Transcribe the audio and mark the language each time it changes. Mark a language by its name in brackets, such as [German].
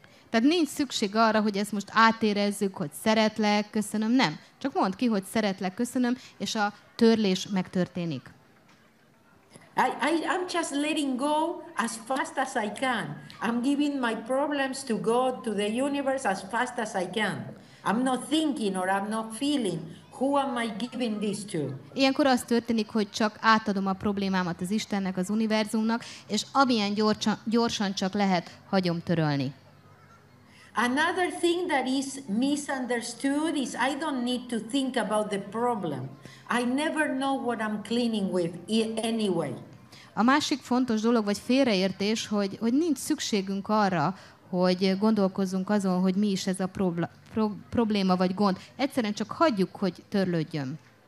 [Hungarian] Tehát nincs szükség arra, hogy ezt most átérezzük, hogy szeretlek, köszönöm, nem. Csak mondd ki, hogy szeretlek, köszönöm, és a törlés megtörténik. [English] I'm just letting go as fast as I can. I'm giving my problems to God, to the universe as fast as I can. I'm not thinking or I'm not feeling. Who am I giving this to? [Hungarian] Ilyenkor az történik, hogy csak átadom a problémámat az Istennek, az univerzumnak, és amilyen gyorsan csak lehet, hagyom törölni. [English] Another thing that is misunderstood is I don't need to think about the problem. I never know what I'm cleaning with anyway. [Hungarian] A másik fontos dolog vagy félreértés, hogy nincs szükségünk arra, hogy gondolkozzunk azon, hogy mi is ez a probléma vagy gond. Egyszerűen csak hagyjuk, hogy törlődjön.